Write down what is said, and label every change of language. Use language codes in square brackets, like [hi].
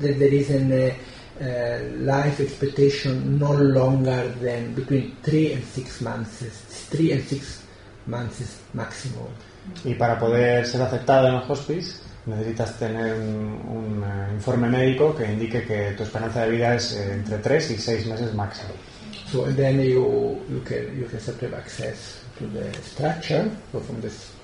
[en] that there is an life expectation no longer than between 3 and 6 months maximum. [es] Y para poder ser aceptado en el hospice necesitas tener un informe médico que indique que tu esperanza de vida es entre 3 y 6 meses máximo. [en] So then you can accept access to the structure, so from this